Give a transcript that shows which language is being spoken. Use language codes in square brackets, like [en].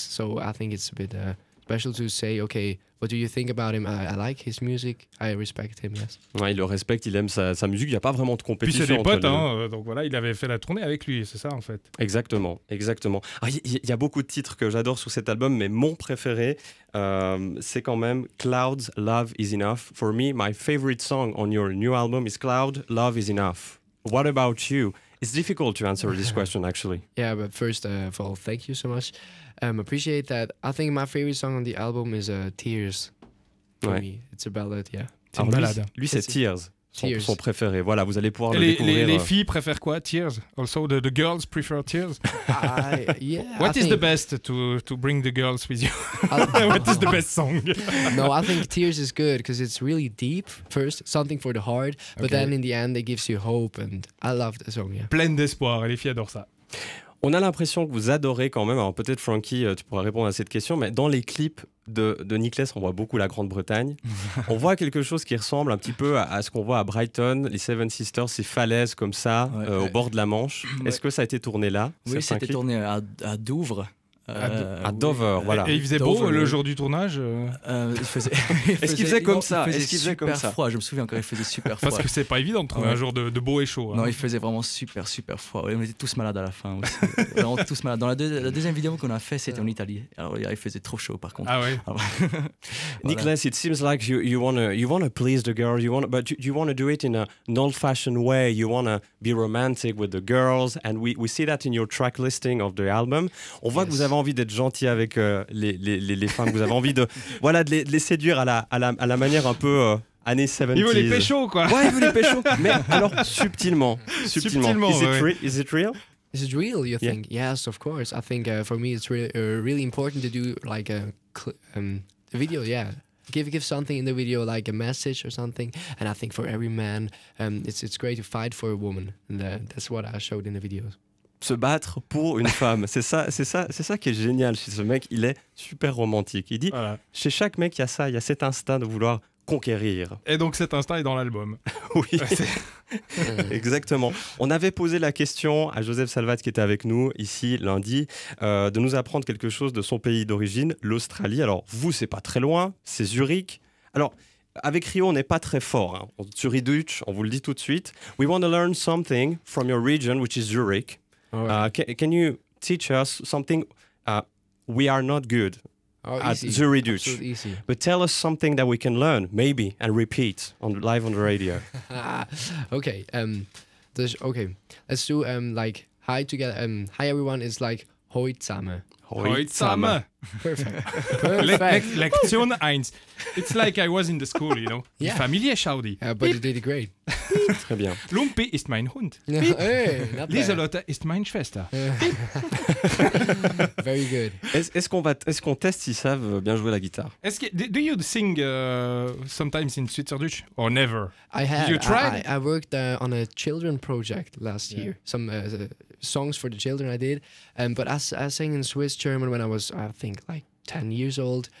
[en] So I think it's a bit special to say, okay, what do you think about him? I like his music. I respect him, yes. [fr] Ouais, il le respecte, il aime sa musique. Il n'y a pas vraiment de compétition. Puis c'est des potes, hein, donc voilà, il avait fait la tournée avec lui, c'est ça en fait. Exactement, exactement. Il y a beaucoup de titres que j'adore sur cet album, mais mon préféré, c'est quand même Clouds, Love is Enough. [en] For me, my favorite song on your new album is Cloud, Love is Enough. What about you? It's difficult to answer this question, actually. Yeah, but first of all, thank you so much. Appreciate that. I think my favorite song on the album is Tears. Ouais. For me. It's a ballad, yeah. [fr] C'est une ballade. Lui, c'est Tears. Son préféré. Voilà, vous allez pouvoir le découvrir. Les filles préfèrent quoi? Tears. [en] Also, the girls prefer Tears. Yeah. What is the best to bring the girls with you? What is the best song? No, I think Tears is good because it's really deep. First, something for the heart, okay. But then in the end, it gives you hope. And I love the song. Yeah. [fr] Pleine d'espoir. Et les filles adorent ça. On a l'impression que vous adorez quand même, alors peut-être Frankie, tu pourras répondre à cette question, mais dans les clips de Nicklas, on voit beaucoup la Grande-Bretagne. On voit quelque chose qui ressemble un petit peu à ce qu'on voit à Brighton, les Seven Sisters, ces falaises comme ça, ouais, au bord de la Manche. Ouais. Est-ce que ça a été tourné là? Oui, c'était tourné à Douvres. À Dover, oui. Voilà. Et il faisait Dover, beau le jour du tournage Est-ce qu'il faisait comme ça? Il faisait super froid, je me souviens quand il faisait super froid. Parce que c'est pas évident de trouver un jour de beau et chaud. Non, il faisait vraiment super, super froid. Et on était tous malades à la fin aussi. On était tous malades. Dans la deuxième vidéo qu'on a fait, c'était en Italie. Alors il faisait trop chaud par contre. Ah oui. Alors, voilà. [en] Nicklas, it seems like you wanna please the girl, you wanna do it in an old-fashioned way, you wanna be romantic with the girls, and we see that in your track listing of the album. [fr] On voit que vous avez envie d'être gentil avec les femmes, que vous avez envie de les séduire à la manière un peu années 70. Il veut les pécho, quoi. Ouais, il veut les pécho, mais alors subtilement. [en] Is it real? Is it real, you think? Yeah. Yes, of course. I think for me it's really, really important to do like a video, yeah. Give something in the video, like a message or something. And I think for every man, it's great to fight for a woman. And that's what I showed in the video. [fr] Se battre pour une femme, c'est ça qui est génial chez ce mec. Il est super romantique. Il dit, chez chaque mec, il y a cet instinct de vouloir conquérir. Et donc cet instinct est dans l'album. Oui, exactement. On avait posé la question à Joseph Salvat, qui était avec nous ici lundi, de nous apprendre quelque chose de son pays d'origine, l'Australie. Alors vous, c'est pas très loin, c'est Zurich. Alors avec Rio, on n'est pas très fort. Hein. Zurich, on vous le dit tout de suite. [en] We want to learn something from your region, which is Zurich. Can you teach us something? We are not good at Zurich, but tell us something that we can learn, maybe, and repeat on live on the radio. Okay. Okay. Let's do like hi together. Hi everyone. It's like [gsw] hoi zusammen. Hoi zusammen. [en] Perfect. Perfect. [de] Lektion 1. [en] It's like I was in the school, you know. [de] Yeah. Die Familie Schaudi. [en] Yeah, but you did it great. [fr] Très bien. [de] Lumpi ist mein Hund. Lieselotte ist mein Schwester. [en] Very good. [fr] Est-ce qu'on teste s'ils savent bien jouer la guitare? [en] Do you sing sometimes in Switzerland or never? I have. Did you try? I worked on a children project last year. Some songs for the children I did. But I sang in Swiss German when I was, I think, like 10 years old.